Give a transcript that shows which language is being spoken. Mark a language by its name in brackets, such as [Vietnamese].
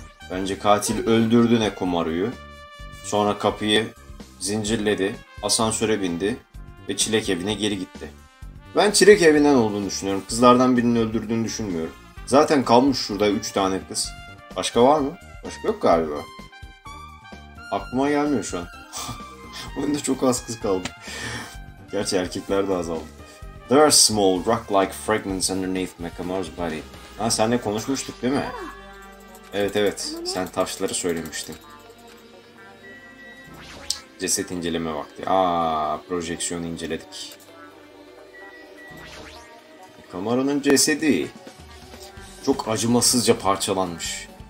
[Turkish] Bence katil öldürdü ne kumarıyı. Sonra kapıyı zincirledi, asansöre bindi ve çilek evine geri gitti. Ben çilek evinden olduğunu düşünüyorum. Kızlardan birini öldürdüğünü düşünmüyorum. Zaten kalmış şurada 3 tane kız. Başka var mı? Başka yok galiba. Aklıma gelmiyor şu an. Oyunda çok az kız kaldı. Gerçi erkekler de azaldı. [English] There are small rock-like fragments underneath Mekamar's body. [Turkish] Ha, seninle konuşmuştuk değil mi? Evet, sen taşları söylemiştin. Ceset inceleme vakti. Projeksiyon inceledik. Kamara'nın cesedi. Çok acımasızca parçalanmış.